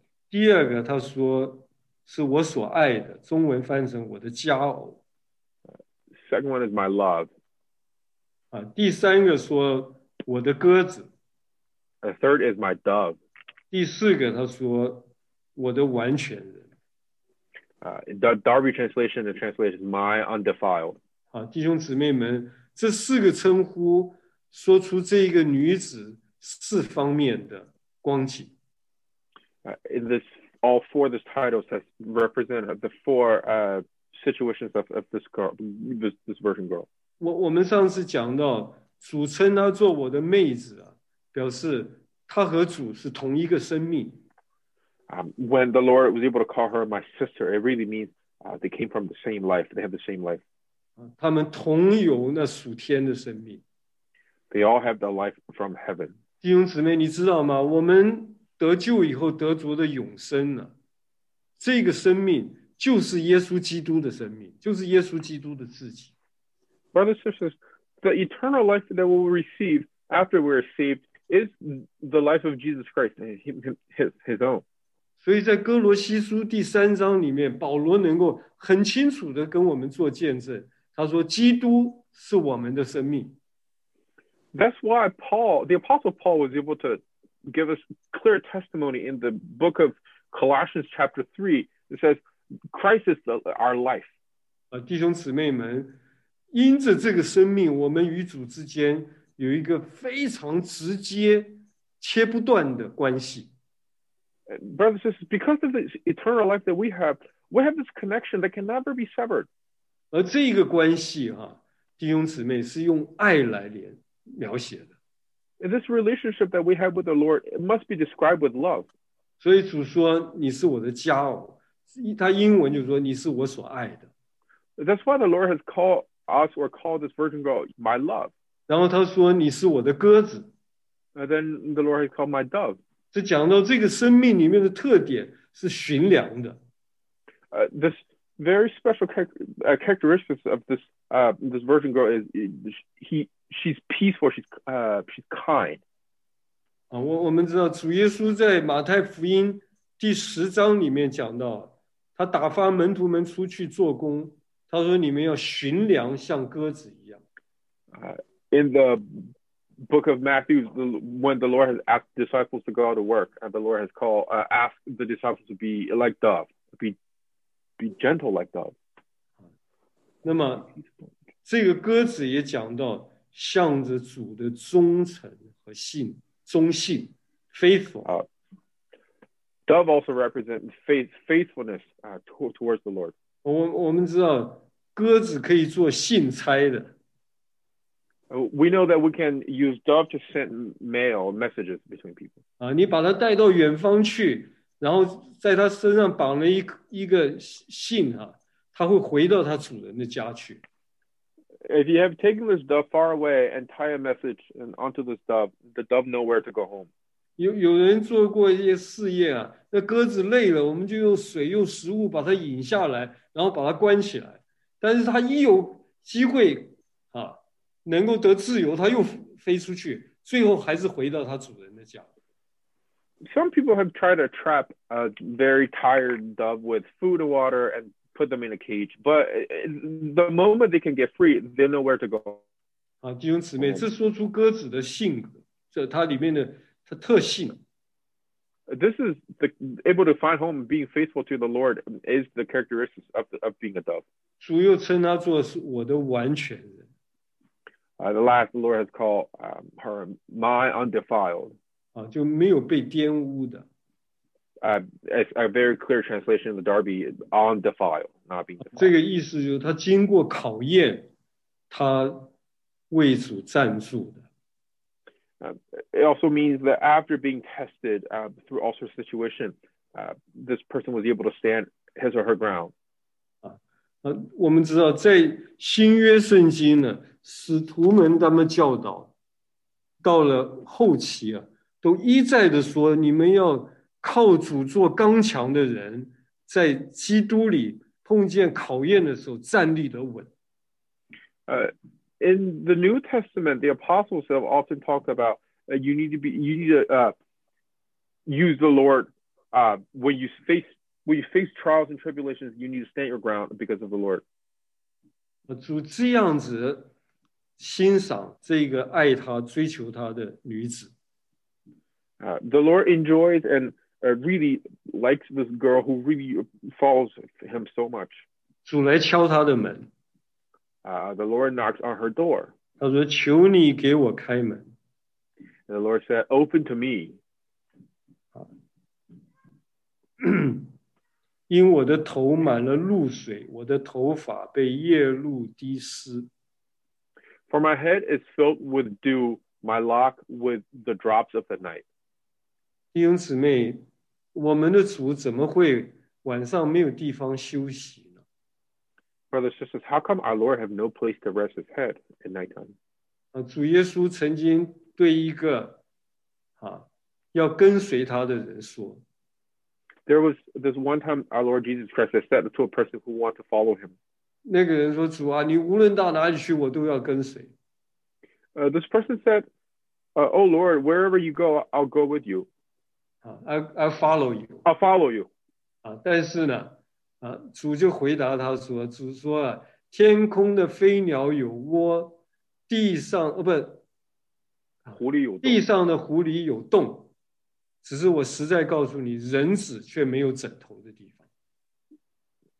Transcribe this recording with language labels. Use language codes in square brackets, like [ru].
[zh] 第二个他说是我所爱的，中文翻成我的佳偶。 [en] Second one is my love. [zh] 第三个说我的鸽子。 [en] The third is my dove. [zh] 第四个他说我的完全人。 [en] The Darby translation, the translation is my undefiled. [zh] 弟兄姊妹们，这四个称呼说出这个女子四方面的光景。 [en] All four of these titles have represented the four situations of this girl, this virgin girl. [zh] 我们上次讲到，主称她做我的妹子啊，表示她和主是同一个生命。 [en] When the Lord was able to call her my sister, it really means they came from the same life. They have the same life. [zh] 他们同有那属天的生命。 [en] They all have the life from heaven. [zh] 弟兄姊妹，你知道吗？我们得救以后得着的永生呢，这个生命就是耶稣基督的生命，就是耶稣基督的自己。 [en] Brothers and sisters, the eternal life that we will receive after we are saved is the life of Jesus Christ and his own. [zh] 所以在哥罗西书第三章里面，保罗能够很清楚地跟我们做见证，他说基督是我们的生命。 [en] That's why Paul, the Apostle Paul, was able to give us clear testimony in the book of Colossians chapter 3. It says, Christ is our life. [zh] 弟兄姊妹们，因着这个生命，我们与主之间有一个非常直接、切不断的关系。 [en] Brothers and sisters, because of the eternal life that we have this connection that can never be severed. [zh] 而这个关系啊，弟兄姊妹，是用爱来连。描写的 [en] This relationship that we have with the Lord it must be described with love. [zh] 所以主说你是我的佳偶，他英文就说你是我所爱的。 [en] That's why the Lord has called us or called this virgin girl my love. [zh] 然后他说你是我的鸽子。 [en] Then the Lord has called my dove. [zh] 这讲到这个生命里面的特点是寻良的。 [en] This very special characteristics of this virgin girl is he. She's peaceful. She's kind. [zh] 我们知道主耶稣在马太福音第十章里面讲到，他打发门徒们出去做工。他说你们要寻粮，像鸽子一样。 [en] In the book of Matthew, when the Lord has asked disciples to go out to work, and the Lord has called asked the disciples to be like dove, be be gentle like doves. [zh] 那么这个歌词也讲到向着主的忠诚和信忠信 faithful. [en] Dove also represents faithfulness towards the Lord. [zh] 我们知道鸽子可以做信差的。 [en] We know that we can use dove to send mail messages between people. [zh] 你把它带到远方去，然后在它身上绑了一个信啊，它会回到它主人的家去。 [en] If you have taken this dove far away and tie a message onto this dove, the dove knows where to go home. [zh] 有人做过一些试验啊，那鸽子累了，我们就用水用食物把它引下来，然后把它关起来。但是它一有机会啊，能够得自由，它又飞出去，最后还是回到它主人的家。 [en] Some people have tried to trap a very tired dove with food and water and put them in a cage, but the moment they can get free, they know where to go. [zh] 啊，弟兄姊妹，这说出鸽子的性格，这它里面的它特性。 [en] This is the able to find home, being faithful to the Lord is the characteristics of being a dove. [zh] 主又称他做我的完全人。 [en] The last the Lord has called her my undefiled. [zh] 啊，就没有被玷污的。 [en] It's a very clear translation of the Darby undefiled, not being defiled. [zh] 这个意思就是他经过考验，他为主站住的。 [en] It also means that after being tested through all sorts of situations, this person was able to stand his or her ground. [zh] 我们知道在新约圣经呢，使徒们他们教导，到了后期啊，都一再的说，你们要靠主做刚强的人，在基督里碰见考验的时候站立得稳。 [en] In the New Testament, the apostles have often talked about you need to use the Lord when you face trials and tribulations. You need to stand your ground because of the Lord. [zh] 主这样子欣赏这个爱他追求他的女子。 [en] The Lord enjoys and really likes this girl who really follows him so much. [zh] 主来敲他的门。 [en] The Lord knocks on her door. [zh] 他说：“求你给我开门。” [en] And the Lord said, "Open to me." [zh] 因我的头满了露水，我的头发被夜露滴湿。 [en] For my head is filled with dew, my lock with the drops of the night. [zh] 弟兄姊妹，我们的主怎么会晚上没有地方休息？ [en] Brothers and sisters, how come our Lord have no place to rest his head at nighttime? [zh] 主耶稣曾经对一个要跟随他的人说。 [en] There was this one time our Lord Jesus Christ said to a person who wanted to follow him. [zh] 那个人说，主啊，你无论到哪里去，我都要跟随。 [en] This person said, oh Lord, wherever you go, I'll go with you. I'll follow you. I'll follow you. [zh] 但是呢，主就回答他说：“主说啊，天空的飞鸟有窝，地上狐狸有洞，地上的狐狸有洞，只是我实在告诉你，人子却没有枕头的地方。”